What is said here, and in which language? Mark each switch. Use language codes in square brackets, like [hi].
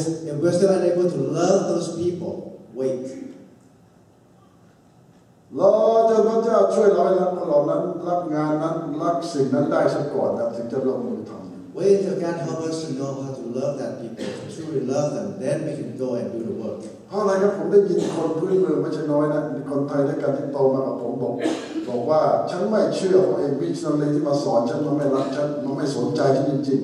[en] if we're still unable to love those people. Wait. [th] Lord, จะพระเจ้าช่วยเราให้รับคนนั้นรับงานนั้นรับสิ่งนั้นได้ซะก่อนนะถึงจะลงมือทำ [en] Wait till God help us to know how to love that people, to truly love them, then we can go and do the work. [th] เพราะอะไรครับผมได้ยินคนพื้นเมืองไม่ใช่น้อยนะคนไทยด้วยกันที่โตมากับผมบอกว่าฉันไม่เชื่อเพราะเอ็มวีชนเลยที่มาสอนฉันมันไม่รักฉันมันไม่สนใจฉันจริง